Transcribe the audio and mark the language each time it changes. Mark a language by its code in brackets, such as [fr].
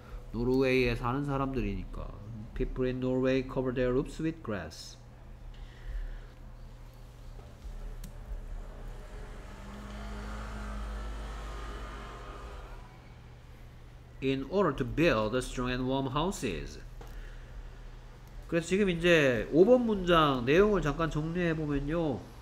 [ko] 노르웨이에 사는 사람들이니까. [en] People in Norway cover their roofs with grass. In order to build strong and warm houses. [ko] 그래서 지금 이제 5번 문장 내용을 잠깐 정리해 보면요.